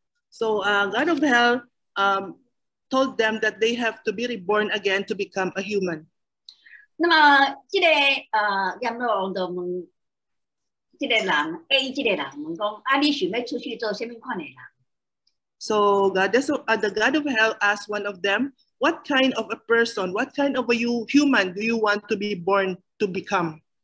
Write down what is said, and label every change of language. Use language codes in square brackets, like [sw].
[en] So God of Hell told them that they have to be reborn again to become a human. [nan] 那么这个阎罗王就问这个人，A这个人问说，啊，你想要出去做什么款的人？ [en] So the God of Hell asked one of them, what kind of a person, what kind of a human do you want to be born to become?